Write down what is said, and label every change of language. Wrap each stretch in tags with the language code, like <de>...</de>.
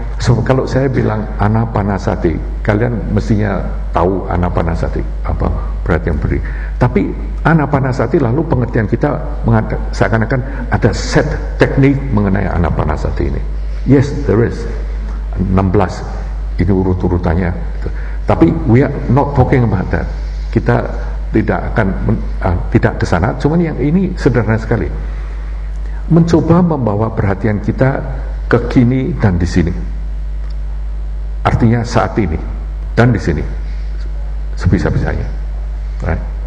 <id>So, kalau saya bilang anapanasati, kalian mestinya tahu anapanasati apa berat yang beri. Tapi anapanasati lalu pengertian kita seakan-akan ada set teknik mengenai anapanasati ini.</id> <en>Yes, there is 16</en> <id>ini urut-urutannya. Tapi</id> <en>we are not talking about that.</en> <id>Kita tidak akan tidak ke sana. Cuman yang ini sederhana sekali. Mencoba membawa perhatian kita ke kini dan di sini. Artinya saat ini dan di sini sebisa-bisanya. Right.</id>